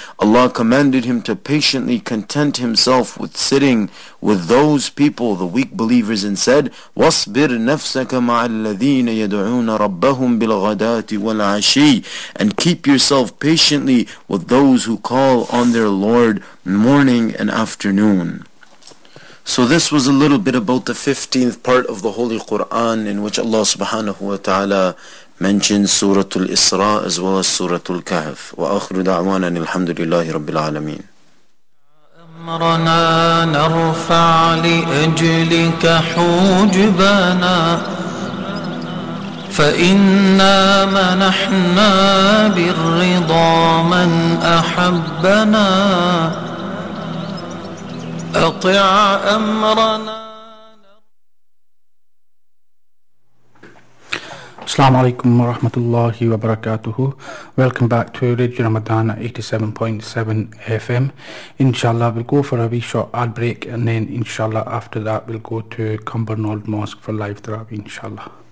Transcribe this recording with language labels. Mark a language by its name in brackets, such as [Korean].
[English] Allah commanded him to patiently content himself with sitting with those people, the weak believers, and said, [Arabic] وَاصْبِرْ نَفْسَكَ مَعَ الَّذِينَ يَدْعُونَ رَبَّهُمْ بِالْغَدَاتِ وَالْعَشِيِّ, [English] and keep yourself patiently with those who call on their Lord morning and afternoon. So this was a little bit about the 15th part of the Holy Quran, in which Allah subhanahu wa ta'ala mentioned Surah Al-Isra as well as Surah Al-Kahf. [Arabic] وَأَخْرُ دَعْوَانَا الْحَمْدُ لِلَّهِ رَبِّ الْعَالَمِينَ. أمرنا نرفع لأجلك حجبنا فإنا منحنا بالرضا من أحبنا أطع أمرنا. [English] Assalamu alaikum wa rahmatullahi wa barakatuhu. Welcome back to Radio Ramadan at 87.7 FM. Inshallah, we'll go for a wee short ad break, and then inshallah after that we'll go to Cumbernauld Mosque for live tarawih, inshallah.